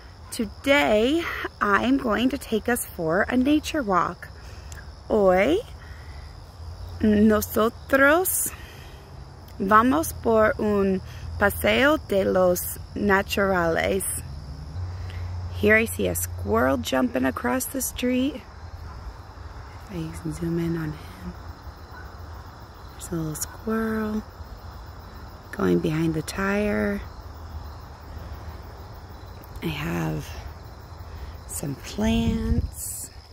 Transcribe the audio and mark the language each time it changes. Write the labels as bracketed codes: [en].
[en] Today, I'm going to take us for a nature walk. [es] Hoy, nosotros vamos por un paseo de los naturales. [en] Here I see a squirrel jumping across the street. I can zoom in on him. There's a little squirrel going behind the tire. I have some plants.